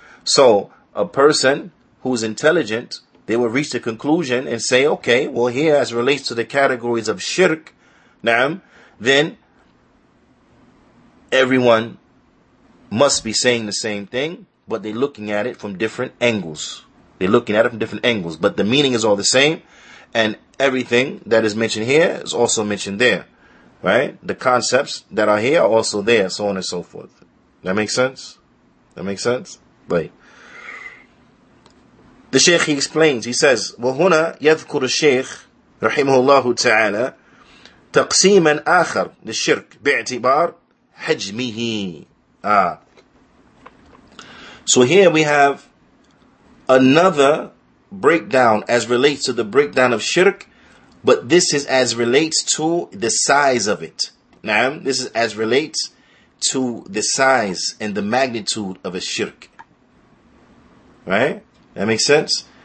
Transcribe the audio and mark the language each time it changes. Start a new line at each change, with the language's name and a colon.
English: So a person who's intelligent, they will reach the conclusion and say, okay, well, here as relates to the categories of shirk, naam, then everyone must be saying the same thing, but they're looking at it from different angles. But the meaning is all the same. And everything that is mentioned here is also mentioned there. Right? The concepts that are here are also there, so on and so forth. That makes sense? Wait. The Shaykh, he explains, he says,
Arabic: وَهُنَا يَذْكُرُ الشَّيْخ رَحِمُهُ اللَّهُ تَعَالَى تَقْسِيمًا آخر للشرك باعتبار حجمه.
English: So here we have another breakdown as relates to the breakdown of shirk, but this is as relates to the size of it. Now, this is as relates to the size and the magnitude of a shirk. Right? That makes sense?